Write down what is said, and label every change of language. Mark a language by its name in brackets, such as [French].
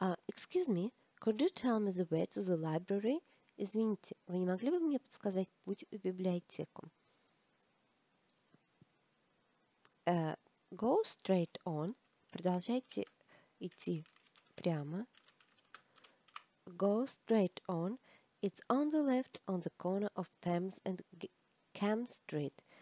[English] Excuse me, could you tell me the way to the library? [Russian] Извините, вы не могли бы мне подсказать путь в библиотеку? [English] Go straight on. [Russian] Продолжайте идти прямо. [English] Go straight on. It's on the left on the corner of Thames and Cam Street.